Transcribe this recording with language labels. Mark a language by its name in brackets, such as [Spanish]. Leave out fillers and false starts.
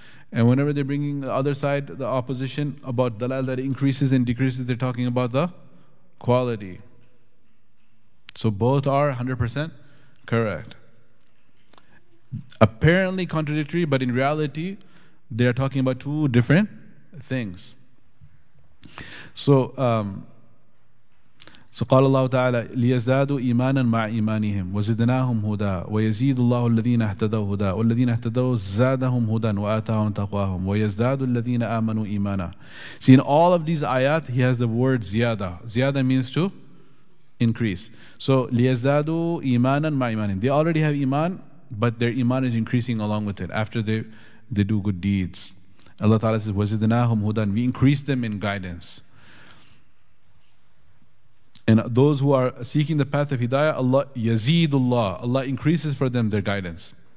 [English] And whenever they're bringing the other side, the opposition, about dalal that increases and decreases, they're talking about the quality. So both are 100% correct. Apparently contradictory, but in reality, they're talking about two different things. So [Arabic] So قال الله تعالى ليزدادوا إيمانا مع إيمانهم وزدناهم هدى ويزيد الله الذين اهتدوا هدى والذين اهتدوا زادهم هدى وآتاهم تقواهم ويزداد الذين آمنوا إيمانا. [English] See, in all of these ayat, he has the word زيادة. زيادة means to increase. [Arabic] So ليزدادوا إيمانا مع إيمانهم. [English] They already have iman, but their iman is increasing along with it after they do good deeds. Allah Ta'ala says [Arabic] وزدناهم هدى. [English] We increase them in guidance. And those who are seeking the path of hidayah, Allah yazeedullah, Allah increases for them their guidance.